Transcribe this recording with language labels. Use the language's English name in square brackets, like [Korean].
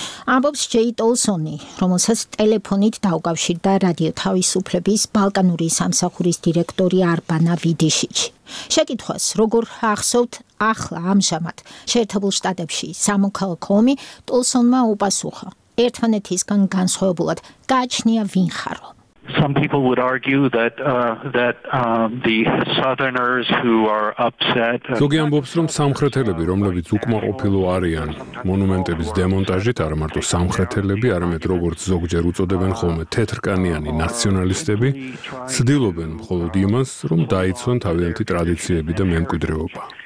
[Georgian] ამბობს ჯეი ტოლსონი, რომელსაც ტელეფონით დაუკავშირდა რადიო თავისუფლების ბალკანური სამსახურის დირექტორი არბანა ვიდიშიჩი. შეკითხვას, როგორ ახსოვთ ახლა ამჟამად შეერთებულ შტატებში სამოქალაქო ომი, ტოლსონმა უპასუხა: ერთმანეთისგან განსხვავებულად გააჩნია ვინ ხარო. [English] Some people would argue that the southerners who are upset [Georgian] ზოგი ამბობს, რომ სამხრეთელები, რომლებიც უკმაყოფილო არიან მონუმენტების დემონტაჟით, არ მარტო სამხრეთელები, არამედ როგორც ზოგჯერ უწოდებენ ხოლმე თეთრკანიანი ნაციონალისტები, ცდილობენ მხოლოდ იმას, რომ დაიცვან თავიანთი ტრადიციები და მემკვიდრეობა.